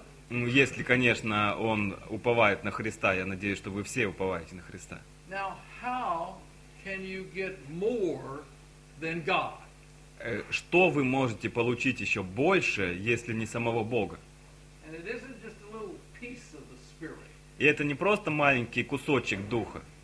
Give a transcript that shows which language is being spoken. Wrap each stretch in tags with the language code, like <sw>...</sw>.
<ru>Если, конечно, он уповает на Христа, я надеюсь, что вы все уповаете на Христа.</ru> <en>Now, how can you get more than God?</en> <ru>Что вы можете получить еще больше, если не самого Бога?</ru> <en>And it isn't just a little piece of the Spirit.</en> <ru>И это не просто маленький кусочек Духа.</ru>